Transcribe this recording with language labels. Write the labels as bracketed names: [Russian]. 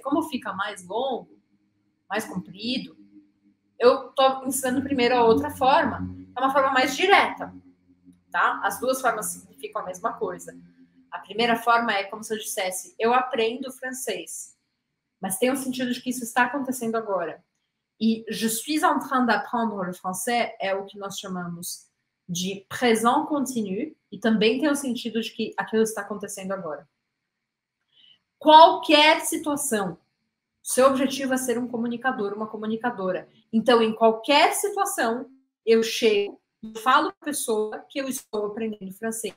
[Portuguese] Como fica mais longo, mais comprido, eu estou ensinando primeiro a outra forma. É uma forma mais direta, tá? As duas formas significam a mesma coisa. A primeira forma é como se eu dissesse, eu aprendo francês. Mas tem o um sentido de que isso está acontecendo agora. E [French] je suis en train d'apprendre le français [Portuguese] é o que nós chamamos de présent continu. E também tem o um sentido de que aquilo está acontecendo agora. Qualquer situação, seu objetivo é ser um comunicador, uma comunicadora. Então, em qualquer situação, eu chego. Eu falo para a pessoa que eu estou aprendendo francês.